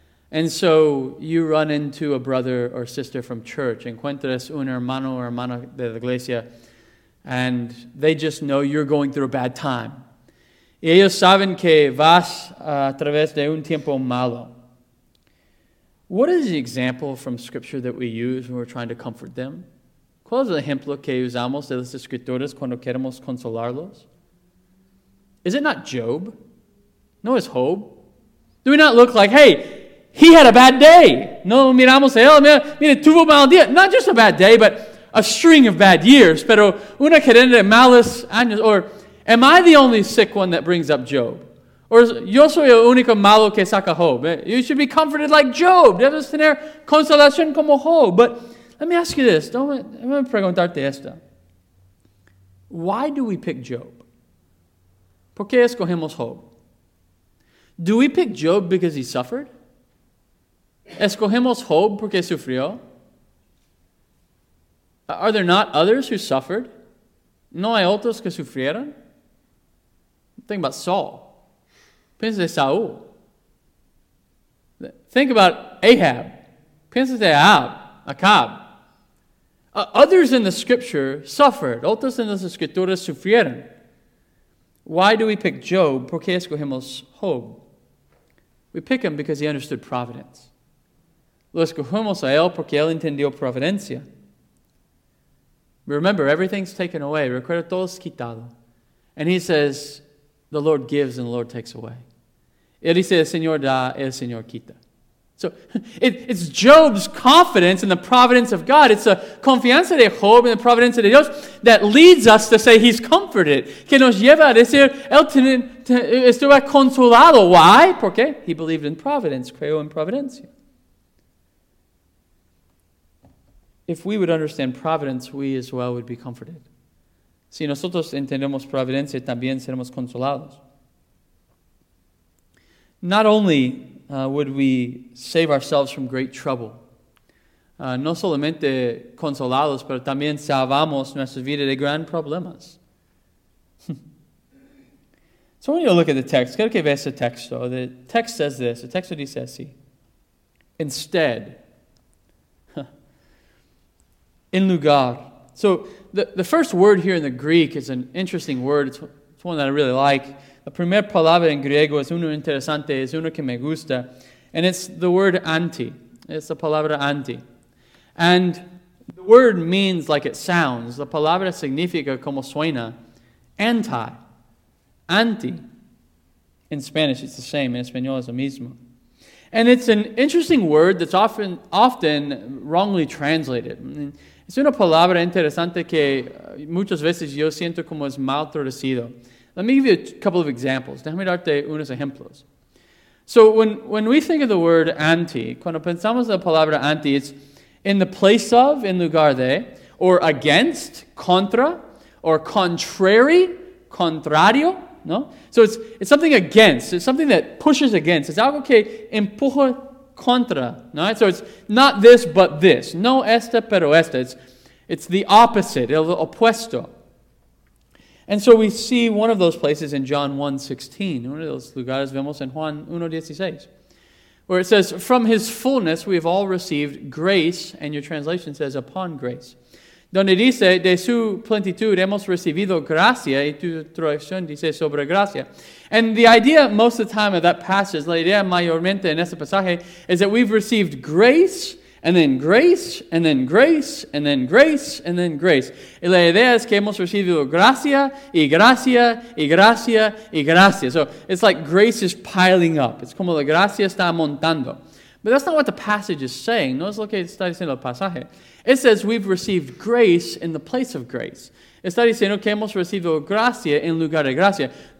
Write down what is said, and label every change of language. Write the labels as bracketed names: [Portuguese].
[English] And so you run into a brother or sister from church, [Spanish] encuentras un hermano o hermana de la iglesia, [English] and they just know you're going through a bad time. [Spanish] Y ellos saben que vas a través de un tiempo malo. [English] What is the example from Scripture that we use when we're trying to comfort them? [Spanish] ¿Cuál es el ejemplo que usamos de las Escrituras cuando queremos consolarlos? [English] Is it not Job? [Spanish] No es Job. [English] Do we not look like, hey, he had a bad day. [Spanish] No miramos a él, mira, tuvo mal día. [English] Not just a bad day, but a string of bad years. [Spanish] Pero una cadena de malos años. [English] Or am I the only sick one that brings up Job? [Spanish] Or yo soy el único malo que saca Job. [English] You should be comforted like Job. [Spanish] Debes tener consolación como Job. [English] But let me ask you this. Don't [Spanish] preguntarte esto. [English] Why do we pick Job? [Spanish] ¿Por qué escogemos Job? [English] Do we pick Job because he suffered? [Spanish] ¿Escogemos Job porque sufrió? [English] Are there not others who suffered? [Spanish] ¿No hay otros que sufrieron? [English] Think about Saul. [Spanish] Piensa de Saúl. [English] Think about Ahab. [Spanish] Piensa de Acab. [English] Others in the Scripture suffered. [Spanish] Otros en las Escrituras sufrieron. [English] Why do we pick Job? [Spanish] ¿Por qué escogemos Job? [English] We pick him because he understood providence. [Spanish] Lo escogemos a él porque él entendió providencia. [English] Remember, everything's taken away. [Spanish] Recuerda, todo es quitado. [English] And he says, the Lord gives and the Lord takes away. [Spanish] Él dice, el Señor da, el Señor quita. [English] So, it's Job's confidence in the providence of God. It's a [Spanish] confianza de [English] Job in the providence of Dios that leads us to say he's comforted. [Spanish] Que nos lleva a decir, él estuvo consolado. [English] Why? [Spanish] Porque [English] he believed in providence. [Spanish] Creo en providencia. [English] If we would understand providence, we as well would be comforted. [Spanish] Si nosotros entendemos providencia, también seremos consolados. [English] Not only would we save ourselves from great trouble, [Spanish] no solamente consolados, pero también salvamos nuestra vida de grandes problemas. [English] So when you look at the text, [Spanish] quiero que veas el texto. [English] The text says this, the [Spanish] texto dice así. [English] Instead, [Spanish] en lugar. [English] So the first word here in the Greek is an interesting word. It's one that I really like. [Spanish] La primera palabra en griego es uno interesante, es uno que me gusta. [English] And it's the word anti. It's the palabra anti. And the word means like it sounds. [Spanish] La palabra significa como suena. [English] Anti. Anti. In Spanish it's the same. [Spanish] En español es lo mismo. [English] And it's an interesting word that's often wrongly translated. [Spanish] Es una palabra interesante que muchas veces yo siento como es mal traducido. [English] Let me give you a couple of examples. [Spanish] Déjame darte unos ejemplos. [English] So when we think of the word anti, [Spanish] cuando pensamos en la palabra anti, [English] it's in the place of, [Spanish] en lugar de, [English] or against, contra, or contrary, [Spanish] contrario, ¿no? [English] So it's something against. It's something that pushes against. It's [Spanish] algo que empuja contra, ¿no? [English] So it's not this, but this. [Spanish] No esta, pero esta. [English] It's the opposite, [Spanish] el opuesto. [English] And so we see one of those places in John 1:16. [Spanish] Uno de los lugares vemos en Juan 1:16. [English] Where it says, from his fullness we have all received grace, and your translation says, upon grace. [Spanish] Donde dice, de su plenitud hemos recibido gracia, y tu traducción dice, sobre gracia. [English] And the idea most of the time of that passage, [Spanish] la idea mayormente en ese pasaje, [English] is that we've received grace, and then grace, and then grace, and then grace, and then grace. [Spanish] Y la idea es que hemos recibido gracia, y gracia, y gracia, y gracia. [English] So it's like grace is piling up. It's [Spanish] como la gracia está montando. [English] But that's not what the passage is saying. [Spanish] No es lo que está diciendo el pasaje. [English] It says we've received grace in the place of grace. [Spanish] Está diciendo que hemos recibido gracia en lugar de gracia.